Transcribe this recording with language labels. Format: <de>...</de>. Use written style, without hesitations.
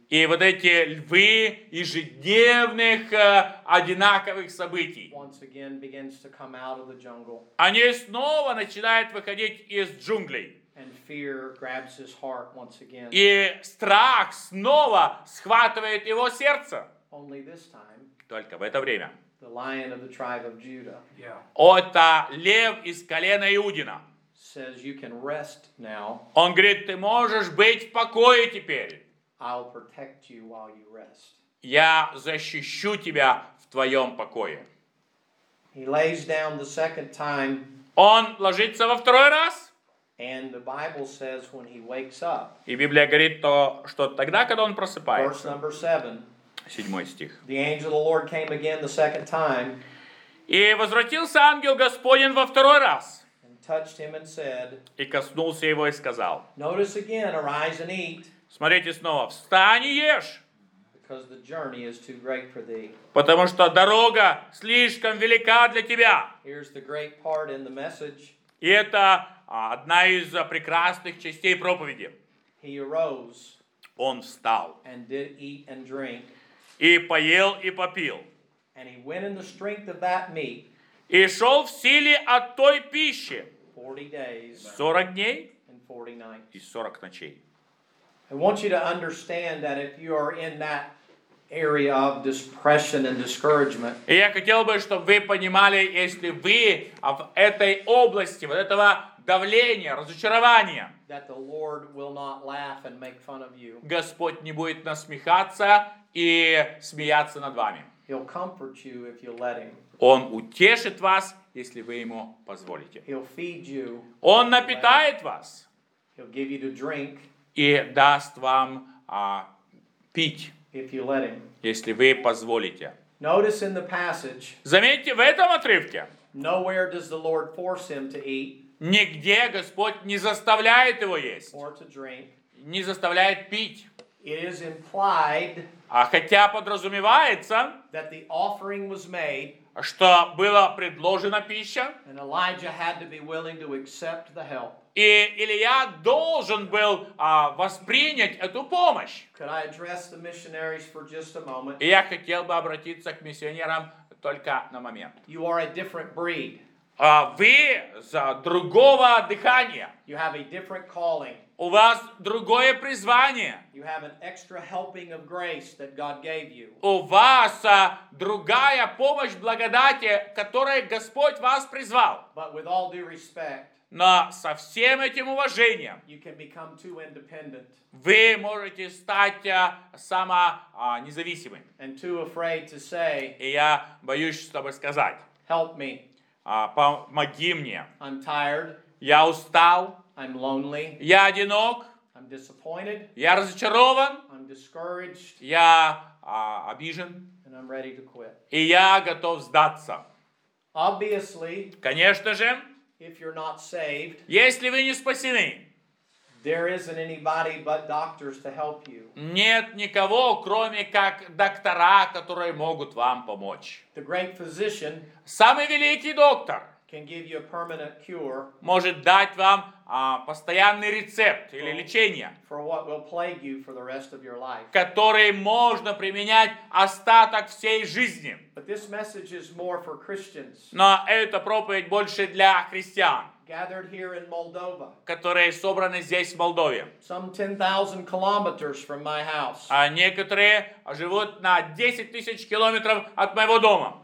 <ru>И вот эти львы ежедневных одинаковых событий.</ru> <en>Once again begins to come out of the jungle.</en> <ru>Они снова начинают выходить из джунглей.</ru> <en>And fear grabs his heart once again.</en> <ru>И страх снова схватывает его сердце.</ru> <en>Only this time.</en> <ru>Только в это время.</ru> <en>The lion of the tribe of Judah. Yeah.</en> <ru>Это лев из колена Иудина.</ru> <en>Says you can rest now.</en> <ru>Он говорит, ты можешь быть в покое теперь.</ru> <en>I'll protect you while you rest.</en> <ru>Я защищу тебя в твоем покое.</ru> <en>He lays down the second time.</en> <ru>Он ложится во второй раз.</ru> <en>And the Bible says when he wakes up.</en> <ru>И Библия говорит то, что тогда, когда он просыпается.</ru> <en>Verse number 7.</en> <ru>Седьмой стих.</ru> <en>The angel of the Lord came again the second time.</en> <ru>И возвратился ангел Господень во второй раз.</ru> <en>And touched him and said.</en> <ru>И коснулся его и сказал.</ru> <en>Notice again, arise and eat.</en> <ru>Смотрите снова, встань и ешь.</ru> <en>Because the journey is too great for thee.</en> <ru>Потому что дорога слишком велика для тебя.</ru> <en>Here's the great part in the message.</en> <ru>И это одна из прекрасных частей проповеди.</ru> <en>He arose.</en> <ru>Он встал.</ru> <en>And did eat and drink.</en> <ru>И поел и попил.</ru> <en>And he went in the strength of that meat.</en> <ru>И шел в силе от той пищи.</ru> <en>40 days.</en> <ru>40 дней.</ru> <en>And 40 nights.</en> <ru>И 40 ночей.</ru> <en>I want you to understand that if you are in that area of depression and discouragement.</en> <ru>И я хотел бы, чтобы вы понимали, если вы в этой области вот этого давления, разочарования,</ru> <en>that the Lord will not laugh and make fun of you.</en> <ru>Господь не будет насмехаться и смеяться над вами.</ru> <en>He'll comfort you if you let him.</en> <ru>Он утешит вас, если вы ему позволите.</ru> <en>He'll feed you.</en> <ru>Он напитает вас.</ru> <en>He'll give you to drink.</en> <ru>И даст вам пить.</ru> <en>If you let him.</en> <ru>Если вы позволите.</ru> <en>Notice in the passage.</en> <ru>Заметьте в этом отрывке.</ru> <en>Nowhere does the Lord force him to eat.</en> <ru>Нигде Господь не заставляет его есть.</ru> <en>Or to drink.</en> <ru>Не заставляет пить.</ru> <en>It is implied.</en> <ru>А хотя подразумевается.</ru> <en>That the offering was made.</en> <ru>Что была предложена пища.</ru> <en>And Elijah had to be willing to accept the help.</en> <ru>И Илия должен был воспринять эту помощь.</ru> <en>Could I address the missionaries for just a moment?</en> <ru>И я хотел бы обратиться к миссионерам только на момент.</ru> <en>You are a different breed.</en> <ru>Вы за другого дыхания.</ru> <en>You have a different calling.</en> <ru>У вас другое призвание.</ru> <en>You have an extra helping of grace that God gave you.</en> <ru>У вас другая помощь благодати, которой Господь вас призвал.</ru> <en>But with all due respect,</en> <ru>но со всем этим уважением</ru> <en>you can become too independent.</en> <ru>Вы можете стать сама независимым.</ru> <en>And too afraid to say,</en> <ru>и я боюсь с тобой сказать.</ru> <en>Help me.</en> <ru>Помоги мне.</ru> <en>I'm tired.</en> <ru>Я устал.</ru> <en>I'm lonely.</en> <ru>Я одинок.</ru> <en>I'm disappointed.</en> <ru>Я разочарован.</ru> <en>I'm discouraged.</en> <ru>Я обижен.</ru> <en>And I'm ready to quit.</en> <ru>И я готов сдаться.</ru> <en>Obviously,</en> <ru>конечно же,</ru> <en>if you're not saved,</en> <ru>если вы не спасены,</ru> <en>there isn't anybody but doctors to help you.</en> <ru>Нет никого, кроме как доктора, которые могут вам помочь.</ru> <en>The great physician,</en> <ru>самый великий доктор,</ru> <en>can give you a permanent cure,</en> <ru>может дать вам постоянный рецепт или лечение,</ru> <en>for what will plague you for the rest of your life,</en> <ru>который можно применять остаток всей жизни.</ru> <en>But this message is more for Christians.</en> <ru>Но эта проповедь больше для христиан,</ru> <en>gathered here in Moldova,</en> <ru>которые собраны здесь в Молдове.</ru> <en>Some 10,000 kilometers from my house.</en> <ru>А некоторые живут на 10,000 километров от моего дома.</ru>